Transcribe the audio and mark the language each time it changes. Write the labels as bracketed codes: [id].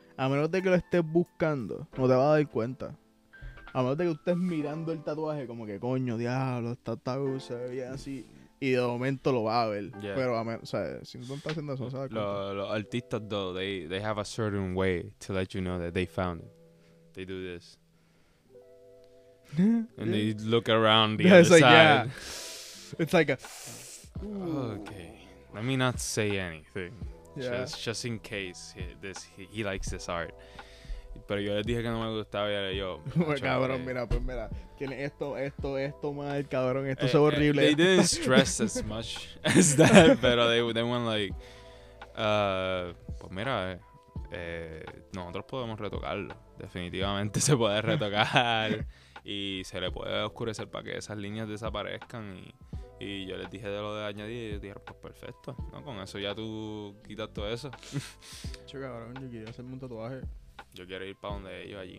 [es] A menos de que lo estés buscando, no te vas a dar cuenta. A menos de que estés mirando el tatuaje como que, coño, diablo, está tabú, se ve bien así. Y de momento lo va a ver. [en] Yeah. [es] Pero, o sea, si no está haciendo eso, ¿sabes? Los artistas, [en] though, they have a certain way to let you know that they found it. They do this. And they look around the other side. Yeah. It's like a... Ooh. Okay. Let me not say anything. Yeah. Just in case he likes this art. [es] Pero yo les dije que no me gustaba y era yo. Cabrón, mira. Tiene esto mal, cabrón. Esto es horrible. [en] They didn't stress as much as that, [es] pero [en] they went like, [es] pues mira, nosotros podemos retocarlo. Definitivamente se puede retocar y se le puede oscurecer para que esas líneas desaparezcan. Y yo les dije de lo de añadir y ellos dijeron, pues perfecto. No, con eso ya tú quitas todo eso. Che, cabrón, yo quería hacerme un tatuaje. Yo quiero ir para donde ellos allí.